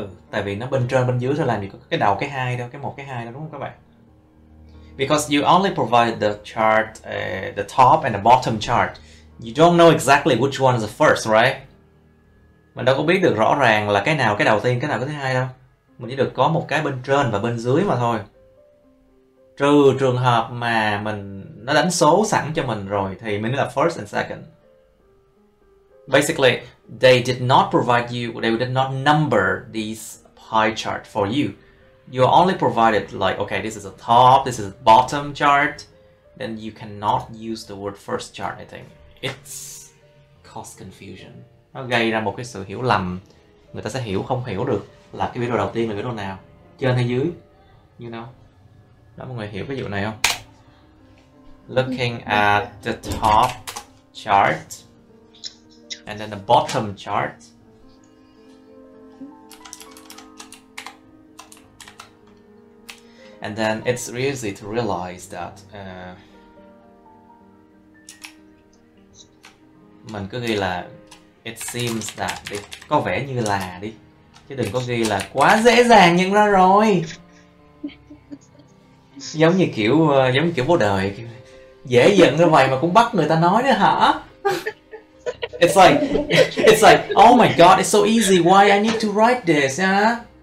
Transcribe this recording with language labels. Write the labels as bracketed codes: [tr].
[vi] Tại vì nó bên trên bên dưới thôi, làm gì có cái đầu cái hai đâu, cái một cái hai đâu, đúng không các bạn? [en] Because you only provide the chart, the top and the bottom chart, you don't know exactly which one is the first, right? [vi] Mình đâu có biết được rõ ràng là cái nào cái đầu tiên, cái nào cái thứ hai đâu. Mình chỉ được có một cái bên trên và bên dưới mà thôi. Trừ trường hợp mà mình nó đánh số sẵn cho mình rồi thì mình là [en] first and second. Basically, they did not number these pie chart for you. You are only provided like, okay, this is a top, this is a bottom chart. Then you cannot use the word first chart, I think. It's cause confusion. [vi] Nó gây ra một cái sự hiểu lầm. Người ta sẽ hiểu không hiểu được là cái biểu đồ đầu tiên là biểu đồ nào, trên hay dưới, [en] you know. [vi] Đó, mọi người hiểu cái vụ này không? [en] Looking at the top chart and then the bottom chart, And then it's really easy to realize that [vi] mình cứ ghi là [en] it seems that [vi] đi, có vẻ như là đi, chứ đừng có ghi là quá dễ dàng nhưng ra rồi. Giống như kiểu bố đời, dễ giận ra vậy mà cũng bắt người ta nói nữa hả? [en] It's like, oh my god, it's so easy, why I need to write this, huh?